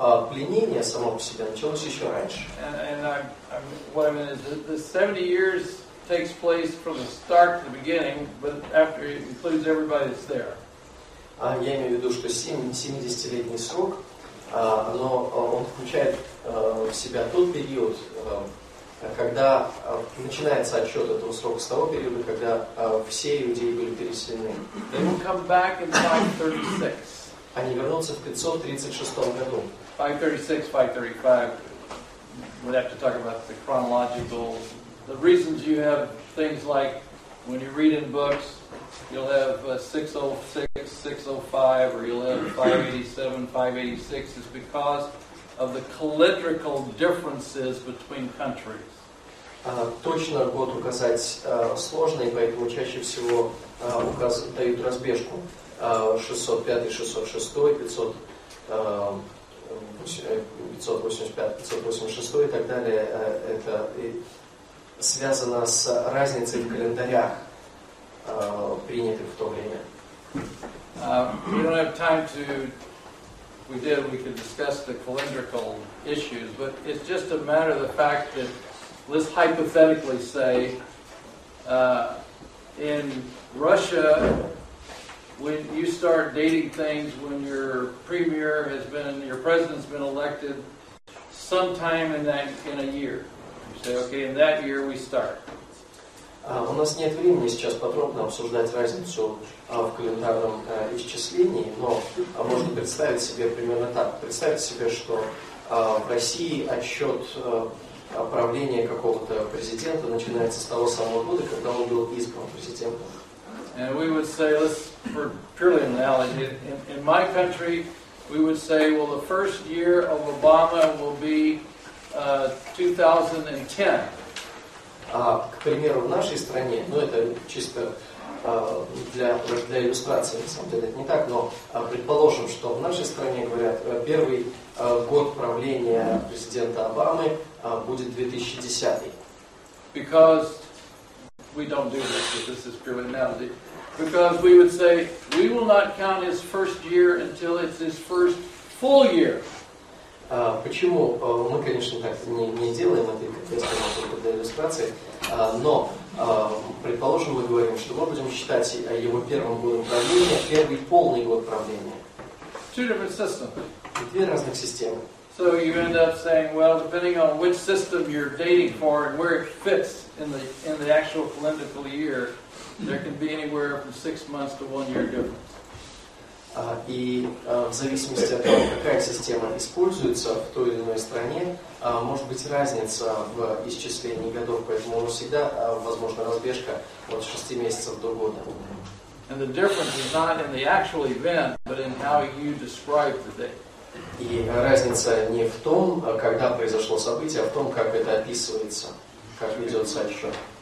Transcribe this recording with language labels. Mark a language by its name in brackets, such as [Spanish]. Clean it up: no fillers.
[Russian] Пленение само по себе началось еще раньше. [English] And the 70 years takes place from the start to the beginning, but after it includes everybody that's there. [Russian] Я имею в виду, что 70-летний срок, но он включает в себя тот период, когда начинается отчет этого срока с того периода, когда все иудеи были переселены. [English] They will come back in 536. [Russian] Они вернутся в 536 году. [English] 536, 535. We'd have to talk about the chronological. The reasons you have things like when you read in books, you'll have 606, 605, or you'll have 587, 586, is because of the calendrical differences between countries. [Russian] Точно год указать сложно, и поэтому чаще всего дают разбежку 605-606, 500, 585-586 и так далее. Это связано с разницей в календарях, принятых в то время. [English] We don't have time to... We could discuss the calendrical issues, but it's just a matter of the fact that let's hypothetically say in Russia, when you start dating things when your premier has been, your president's been elected sometime in a year. You say, okay, in that year we start. [Russian] У нас нет времени сейчас подробно обсуждать разницу в календарном исчислении, но можно представить себе примерно так. Представить себе, что в России отсчет правления какого-то президента начинается с того самого года, когда он был избран президентом. [English] And we would say, let's, for purely analogy, in my country, we would say, well, the first year of Obama will be 2010. [Russian] К примеру, в нашей стране, ну это чисто для иллюстрации, на самом деле это не так, но предположим, что в нашей стране, говорят, первый год правления президента Обамы будет 2010. [English] Because we don't do this, but this is purely analogy. Because we would say, we will not count his first year until it's his first full year. [Russian] Почему? Мы, конечно, так не делаем это, как я сказал, только для иллюстрации, но, предположим, мы говорим, что мы будем считать его первым годом правления, первый полный год правления. [English] Two different systems. [Russian] Две разных системы. [English] So you end up saying, well, depending on which system you're dating for and where it fits in the actual calendrical year, there can be anywhere from 6 months to 1 year difference. [Russian] И в зависимости от того, какая система используется в той или иной стране, может быть разница в исчислении годов, поэтому всегда возможна разбежка от 6 месяцев до года. [English] And the difference is not in the actual event, but in how you describe the day. [Russian] И разница не в том, когда произошло событие, а в том, как это описывается, как ведется отсчет.